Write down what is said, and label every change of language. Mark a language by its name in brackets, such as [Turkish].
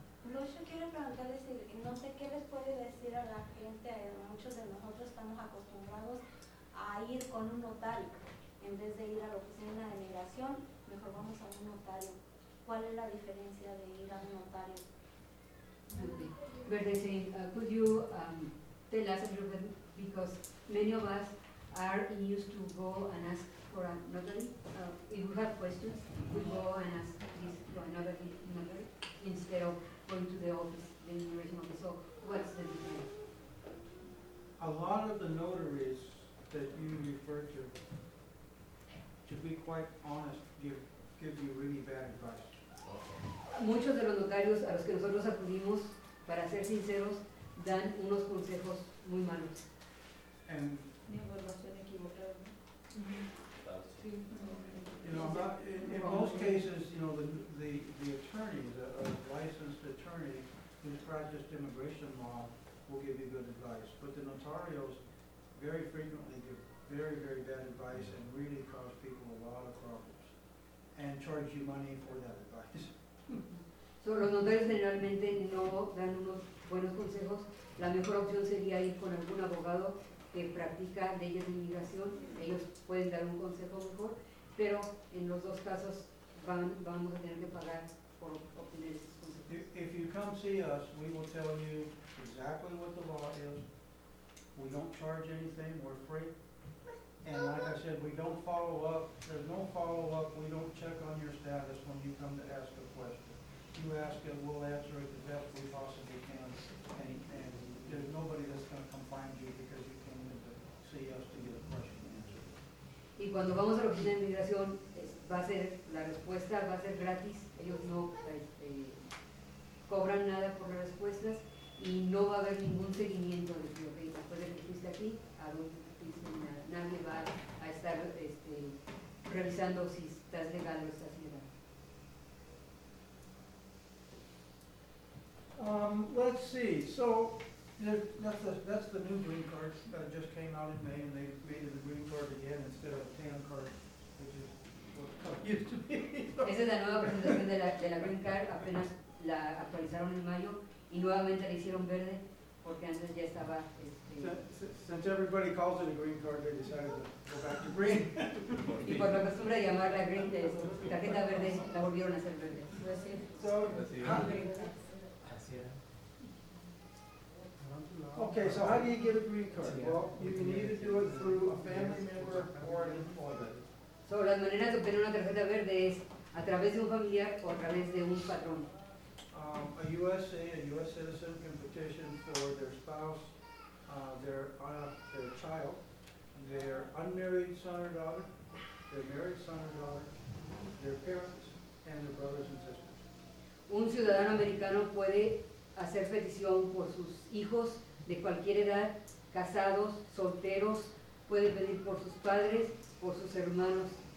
[Spanish] Lucio, quiero preguntarle si no sé qué les puede decir a la gente, muchos de nosotros estamos acostumbrados a ir con un notario. En vez de ir a la oficina de migración, mejor vamos a un notario. ¿Cuál es la diferencia de ir a un notario? Verde, okay. [English] Could you tell us a little bit, because many of us are used to go and ask for a notary. If we have questions, we go and ask this to another notary instead of going to the office, the immigration office. So, what's the difference? A lot of the notaries that you refer to be quite honest, give you really bad advice. [Spanish] Muchos de los notarios a los que nosotros acudimos, para ser sinceros, dan unos consejos muy malos. [English] And you know, in most cases, you know, the attorney, the licensed attorney who's practiced immigration law will give you good advice. But the notarios very frequently give very, very bad advice and really cause people a lot of problems and charge you money for that advice. [Spanish] So los notarios generalmente no dan unos buenos consejos. La mejor opción sería ir con algún abogado que practica leyes de inmigración. Ellos pueden dar un consejo mejor. Pero en los dos casos vamos a tener que pagar por obtener esos consejos. [English] If you come see us, we will tell you exactly what the law is. We don't charge anything, we're free. And like I said, we don't follow up. There's no follow up. We don't check on your status when you come to ask a question. You ask it, we'll answer it the best we possibly can. And there's nobody that's going to come find you because you came in to see us to get a question. [Spanish] Y cuando vamos a la oficina de inmigración, va a ser, la respuesta va a ser gratis. Ellos no cobran nada por las respuestas y no va a haber ningún seguimiento de que, okay, después de que fuiste aquí, a donde fuiste, nadie va a estar revisando si estás legal o estás ilegal. [English] Let's see. So, that's the new green card that just came out in May, and they made it a green card again instead of a tan card, which is what it used to be. [Spanish] Esa es la nueva presentación de la green card. Apenas la actualizaron en mayo y nuevamente la hicieron verde porque antes ya estaba [English] Since everybody calls it a green card, they decided to go back to green. [Spanish] Y por la costumbre de llamarla green, de su tarjeta verde, la volvieron a hacer verde. [English] So, okay, so how do you get a green card? Well, you can either do it through a family member or an employee. [Spanish] So, las maneras de obtener una tarjeta verde es a través de un familiar o a través de un patrón. [English] A USA, a US citizen can petition for their spouse, their child, their unmarried son or daughter, their married son or daughter, their parents, and their brothers and sisters. [Spanish] Un ciudadano americano puede hacer petición por sus hijos de cualquier edad, casados, solteros, puede pedir por sus padres, por sus hermanos.